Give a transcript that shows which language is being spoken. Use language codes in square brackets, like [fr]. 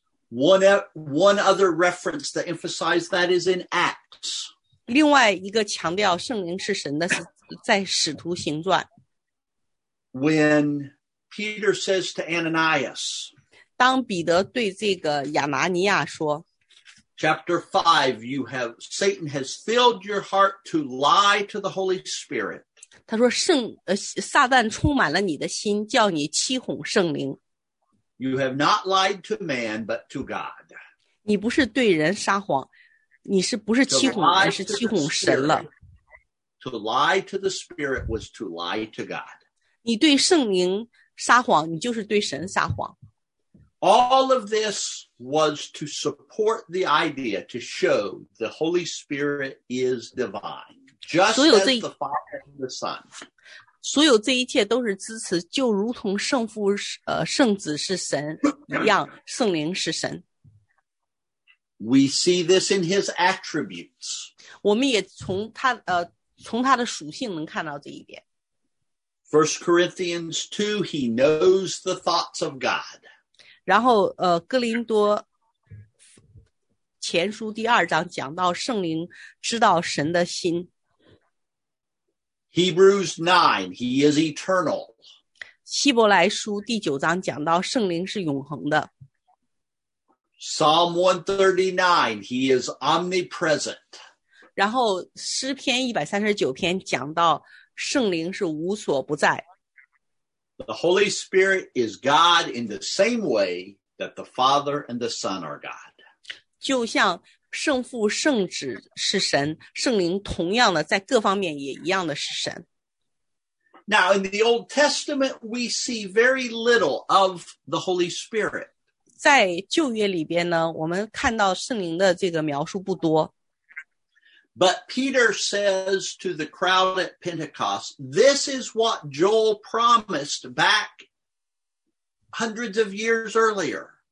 [en] One other reference that emphasized that is in Acts. [zh] 另外一个强调圣灵是神的是在使徒行传。 [en] When Peter says to Ananias, [zh] 当彼得对这个亚拿尼亚说， [en] Chapter 5, Satan has filled your heart to lie to the Holy Spirit. [zh] 他说撒旦充满了你的心叫你欺哄圣灵。 [en] You have not lied to man, but to God. [zh] 你不是对人撒谎你是不是欺哄人是欺哄神了。 [en] To lie to the Spirit was to lie to God. [zh] 你对圣灵撒谎你就是对神撒谎。 [en] All of this was to support the idea to show the Holy Spirit is divine, just as the Father and the Son. [zh] 所有这一切都是支持，就如同圣父、圣子是神一样，圣灵是神。 [en] We see this in his attributes. [zh] 我们也从他从他的属性能看到这一点。 [en] First Corinthians 2, he knows the thoughts of God. [zh] 然后哥林多前书第二章讲到圣灵知道神的心。 [en] Hebrews 9, he is eternal. [zh] 希伯来书第九章讲到圣灵是永恒的。 [en] Psalm 139, he is omnipresent. [zh] 然后诗篇139篇讲到圣灵是无所不在。 [en] The Holy Spirit is God in the same way that the Father and the Son are God. [zh] 就像圣父圣子是神，圣灵同样的在各方面也一样的是神。 [en] Now in the Old Testament, we see very little of the Holy Spirit. [zh] 在旧约里边呢，我们看到圣灵的这个描述不多。 [en] But Peter says to the crowd at Pentecost, this is what Joel promised back hundreds of years earlier.